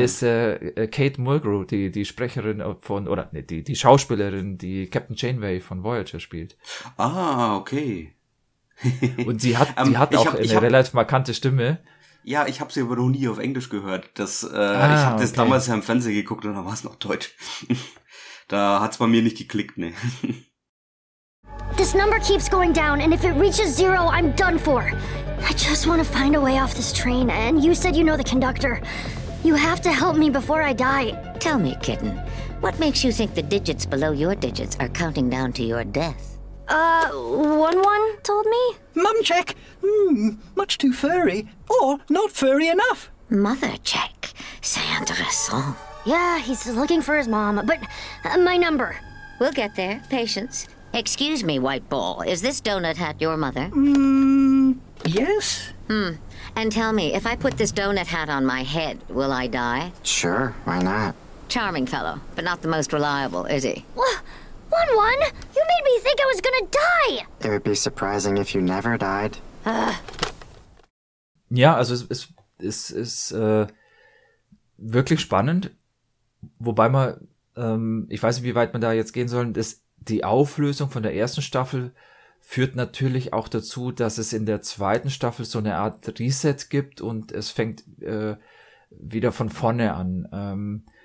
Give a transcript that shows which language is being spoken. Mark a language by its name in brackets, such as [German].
[German] Das ist Kate Mulgrew, die Sprecherin von, oder nee, die Schauspielerin, die Captain Janeway von Voyager spielt. Ah, okay. Und sie hat relativ markante Stimme. Ja, ich habe sie aber noch nie auf Englisch gehört. Ich habe das damals ja im Fernsehen geguckt und dann war es noch Deutsch. Da hat es bei mir nicht geklickt, ne. [English] This number keeps going down and if it reaches zero, I'm done for. I just want to find a way off this train and you said you know the conductor. You have to help me before I die. Tell me, kitten, what makes you think the digits below your digits are counting down to your death? One told me? Mum check! Much too furry. Or not furry enough. Mother check. [French] C'est intéressant. [English] Yeah, he's looking for his mom, but my number. We'll get there. Patience. Excuse me, white ball. Is this donut hat your mother? Yes. And tell me, if I put this donut hat on my head, will I die? Sure, why not? Charming fellow, but not the most reliable, is he? One, you made me think I was gonna die. It would be surprising if you never died. [German] Ja, also es ist wirklich spannend, wobei man, ich weiß nicht, wie weit man da jetzt gehen soll, die Auflösung von der ersten Staffel führt natürlich auch dazu, dass es in der zweiten Staffel so eine Art Reset gibt und es fängt wieder von vorne an.